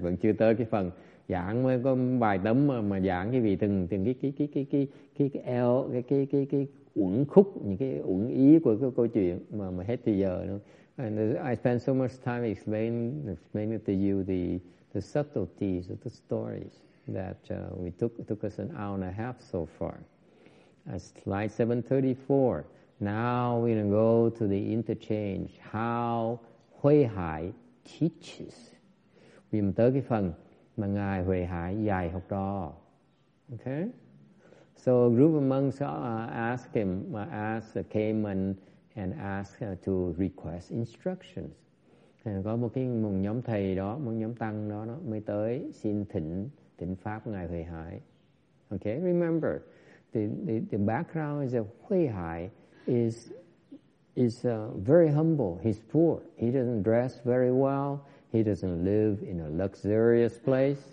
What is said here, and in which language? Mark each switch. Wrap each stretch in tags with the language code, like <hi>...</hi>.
<vi>Vẫn chưa tới cái phần giảng, mới có bài tấm mà giảng cái vị từng cái uẩn khúc, những cái uẩn ý của cái câu chuyện mà hết thì giờ nữa.</vi> <en>And I spent so much time explaining to you the subtleties of the stories that we took us an hour and a half so far. Slide 734. Now we're going to go to the interchange, how Huệ Hải teaches.</en> <vi>Vì mình tới cái phần mà ngài Huệ Hải dạy học trò. Okay?</vi> <en>So a group of monks asked to request instructions.</en> <vi>Có một nhóm thầy đó, một nhóm tăng đó, đó mới tới xin thỉnh pháp ngài Huệ Hải.</vi> <en>Okay, remember, the background is that Huệ Hải is very humble. He's poor. He doesn't dress very well. He doesn't live in a luxurious place.</en>